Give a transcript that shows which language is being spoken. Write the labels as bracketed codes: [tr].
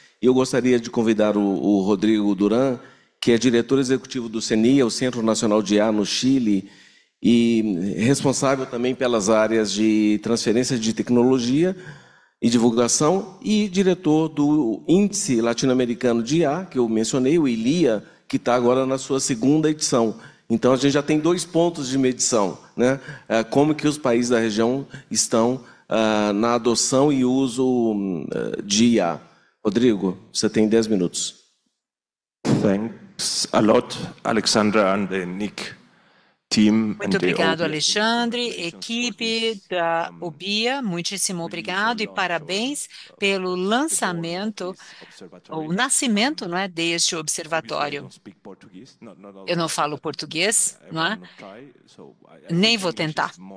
[pt] Eu gostaria de convidar o Rodrigo Duran, que é diretor executivo do CNI, o Centro Nacional de IA no Chile, e responsável também pelas áreas de transferência de tecnologia e divulgação, e diretor do Índice Latino-Americano de IA, que eu mencionei, o ILIA, que está agora na sua segunda edição. Então, a gente já tem dois pontos de medição, né? Como que os países da região estão na adoção e uso de IA. Rodrigo, você tem 10 minutos. [en] Thanks a lot, Alexandra and Nick. [pt] Muito obrigado, Alexandre, equipe da UBIA, muitíssimo obrigado e parabéns pelo lançamento, ou nascimento, não é, deste observatório. Eu não falo português, não é? Nem vou tentar.